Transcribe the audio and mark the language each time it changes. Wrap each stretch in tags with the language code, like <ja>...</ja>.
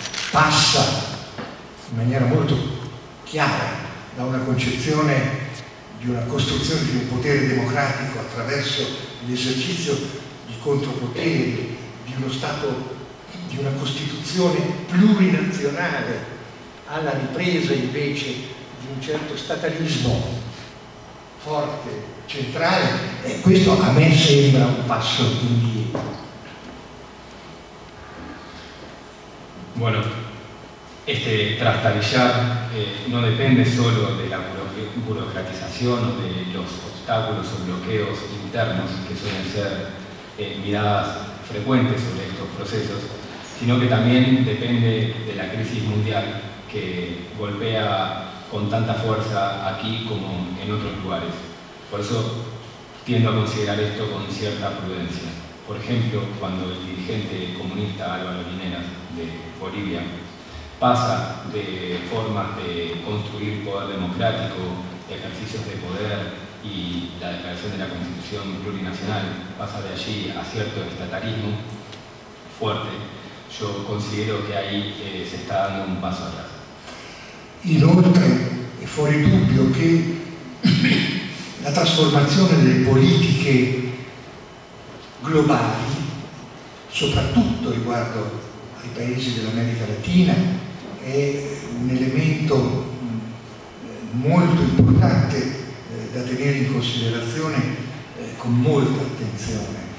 <it>passa in maniera molto chiara da una concezione di una costruzione di un potere democratico attraverso l'esercizio di contropoteri, di uno Stato, di una Costituzione plurinazionale, alla ripresa invece di un certo statalismo forte, centrale, e questo a me sembra un passo indietro.</it> <es>Bueno, este trastabillar no depende solo de la burocratización o de los obstáculos o bloqueos internos que suelen ser miradas frecuentes sobre estos procesos, sino que también depende de la crisis mundial que golpea con tanta fuerza aquí como en otros lugares. Por eso tiendo a considerar esto con cierta prudencia. Por ejemplo, cuando el dirigente comunista Álvaro Linera de Bolivia pasa de formas de construir poder democrático, ejercicios de poder y la declaración de la Constitución plurinacional, pasa de allí a cierto estatalismo fuerte, yo considero que ahí se está dando un paso atrás.</es> <it>Inoltre, es fuori dubbio que la trasformazione delle politiche globali, soprattutto riguardo ai paesi dell'America Latina, è un elemento molto importante da tenere in considerazione con molta attenzione.</it>